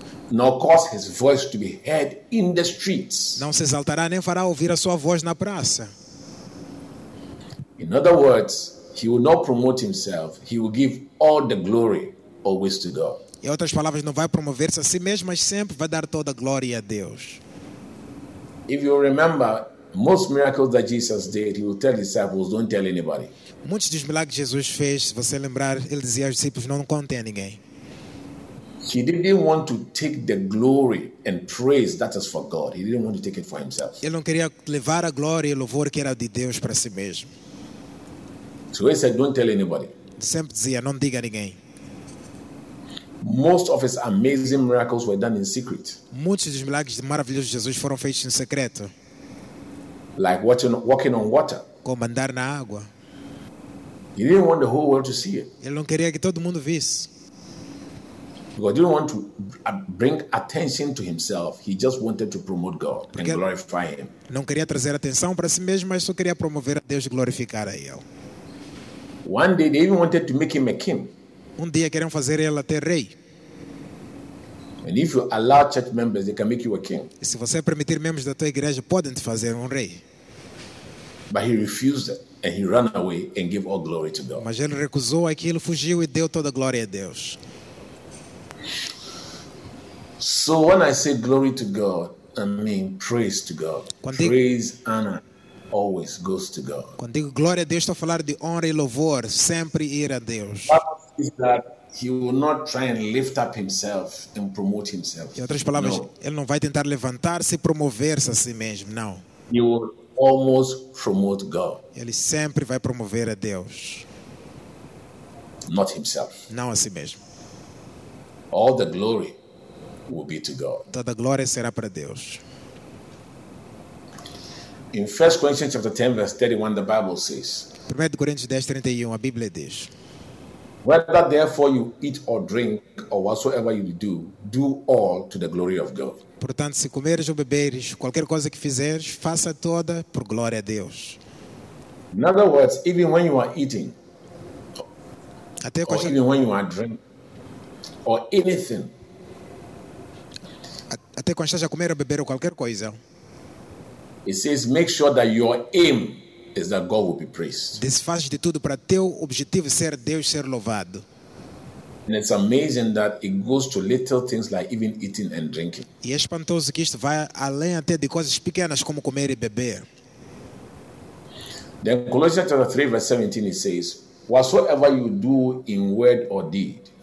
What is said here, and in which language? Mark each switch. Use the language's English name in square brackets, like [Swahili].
[English] Nor cause his voice to be heard in the streets. [Portuguese] Não se exaltará, nem fará ouvir a sua voz na praça. [English] In other words, he will not promote himself. He will give all the glory always to God. [Portuguese] Em outras palavras, não vai promover-se a si mesmo, mas sempre vai dar toda a glória a Deus. [English] If you remember, most miracles that Jesus did, he would tell disciples, don't tell anybody. [Portuguese] Muitos dos milagres que Jesus fez, se você lembrar, ele dizia aos discípulos, não contem a ninguém. [English] He didn't want to take the glory and praise that is for God. He didn't want to take it for himself. [Portuguese] Ele não queria levar a glória e o louvor que era de Deus para si mesmo. [English] So he said, don't tell anybody. [Portuguese] Sempre dizia, não diga a ninguém. [English] Most of his amazing miracles were done in secret. [Portuguese] Muitos dos milagres maravilhosos de Jesus foram feitos em secreto. [English] Like walking on water. [Portuguese] Como andar na água. [English] He didn't want the whole world to see it. [Portuguese] Ele não queria que todo mundo visse. [English] Because he didn't want to bring attention to himself. He just wanted to promote God [Portuguese] Porque [English] and glorify him. [Portuguese] Não queria trazer atenção para si mesmo, mas só queria promover a Deus e glorificar a Ele. [English] One day they even wanted to make him a king. [Portuguese] Um dia queriam fazer ele até rei. [English] And if you allow church members, they can make you a king. [Portuguese] E se você permitir membros da tua igreja, podem te fazer rei. [English] But he refused it, and he ran away and gave all glory to God. [Portuguese] Mas ele recusou aquilo, fugiu e deu toda a glória a Deus. [English] So when I say glory to God, I mean praise to God. Praise, honor, always goes to God. [Portuguese] Quando digo glória a Deus, estou a falar de honra e louvor, sempre ir a Deus. [English] He will not try and lift up himself and promote himself. [Portuguese] Em outras palavras, [English] no. [Portuguese] Ele não vai tentar levantar-se e promover-se a si mesmo, não. [English] He will almost promote God. [Portuguese] Ele sempre vai promover a Deus. [English] Not himself. [Portuguese] Não a si mesmo. [English] All the glory will be to God. [Portuguese] Toda a glória será para Deus. [English] In 1 Corinthians chapter 10, verse 31, the Bible says, [Portuguese] 1 Coríntios 10, 31, a Bíblia diz, [English] whether therefore you eat or drink or whatsoever you do, do all to the glory of God. [Portuguese] Portanto, se comeres ou beberes, qualquer coisa que fizeres, faça toda por glória a Deus. [English] In other words, even when you are eating, [Portuguese] até [English] or [Portuguese] coisa... [English] even when you are drinking, or anything, [Portuguese] até quando estás a comer ou beber ou qualquer coisa, [English] it says, make sure that your aim is that God will be praised. [Portuguese] Desfazes de tudo para teu objetivo ser Deus ser louvado. [English] And it's amazing that it goes to little things like even eating and drinking. [Portuguese] E é espantoso que isto vai além até de coisas pequenas como comer e beber. [English] Then Colossians chapter 3 verse 17 it says, whatsoever you do in word or deed,